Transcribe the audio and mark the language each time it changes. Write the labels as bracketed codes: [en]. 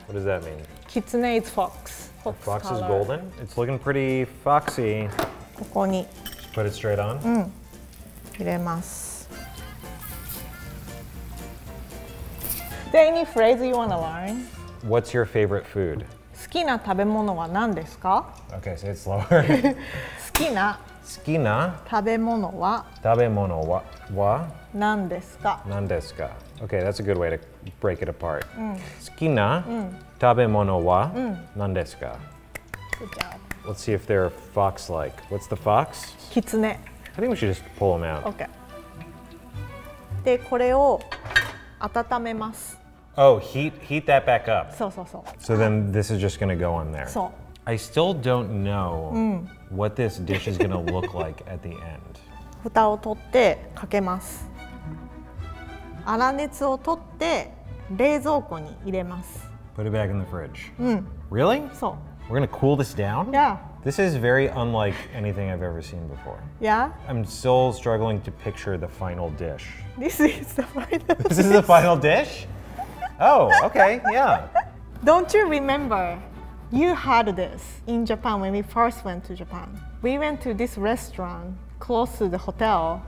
[en] What does that mean? Kitsune is fox. Fox is golden? It's looking pretty foxy. [ja] ここに. [en] Put it straight on? [ja] うん。入れます。 [en] Is there any phrase you want to learn? What's your favorite food? [ja] 好きな食べ物は何ですか? [en] Okay, say it slower. [ja] 好きな好きな食べ物は食べ物は何ですか何ですか [en] Okay, that's a good way to break it apart.、 [ja] うん、好きな、うん、食べ物は、うん、何ですか [en] Good job. Let's see if they're fox-like. What's the fox? [ja] キツネ [en] I think we should just pull them out. [ja] Okay. で、これを温めます。 [en] Oh, heat that back up. [ja] そうそうそう。 [en] So then this is just going to go on there. [ja] そう。 [en] I still don't know、 [ja] うん、 [en] what this dish is going to look like at the end. [ja] 蓋を取ってかけます。粗熱を取って冷蔵庫に入れます。 [en] Put it back in the fridge. [ja] うん。 [en] Really? [ja] そう。 [en] We're going to cool this down? Yeah. This is very unlike anything I've ever seen before. Yeah? I'm still struggling to picture the final dish. This is the final this dish? This is the final dish? Oh, okay, yeah. Don't you remember? You had this in Japan when we first went to Japan. We went to this restaurant close to the hotel.